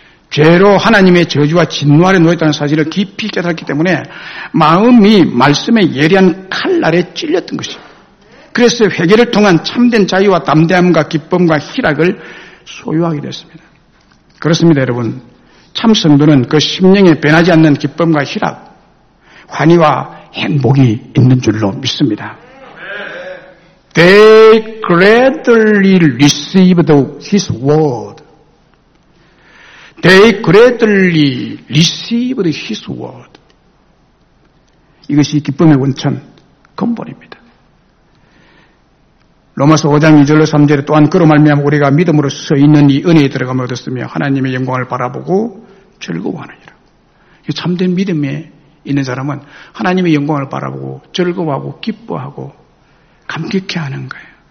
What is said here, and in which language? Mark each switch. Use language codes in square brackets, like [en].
[ko] 죄로 하나님의 저주와 진노 아래 놓였다는 사실을 깊이 깨달았기 때문에 마음이 말씀의 예리한 칼날에 찔렸던 것입니다. 그래서 회개를 통한 참된 자유와 담대함과 기쁨과 희락을 소유하게 됐습니다. 그렇습니다, 여러분. 참 성도는 그 심령에 변하지 않는 기쁨과 희락, 환희와 행복이 있는 줄로 믿습니다. [en] They gladly received his word. They gladly received his word. [ko] 이것이 기쁨의 원천, 근본입니다. 로마서 5장 2절로 3절에 또한 그로 말미암아 우리가 믿음으로 서 있는 이 은혜에 들어감을 얻었으며 하나님의 영광을 바라보고 즐거워하느니라. 참된 믿음에 있는 사람은 하나님의 영광을 바라보고 즐거워하고 기뻐하고 감격해 하는 거예요.